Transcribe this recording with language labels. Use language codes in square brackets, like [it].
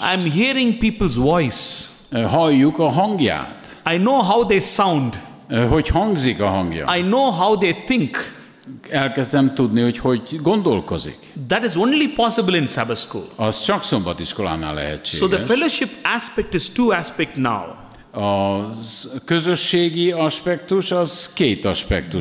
[en] I'm hearing people's voice. [hu] Halljuk a hangját. [en] I know how they sound. [hu] Hogy hangzik a hangja. [en] I know how they think. [hu] Elkezdem tudni, hogy gondolkozik. [en] That is only possible in Sabbath school. [hu] Az csak szombatiskolánál lehetséges. [en] So the fellowship aspect is two aspect now. [hu] A közösségi aspektus az két aspektus.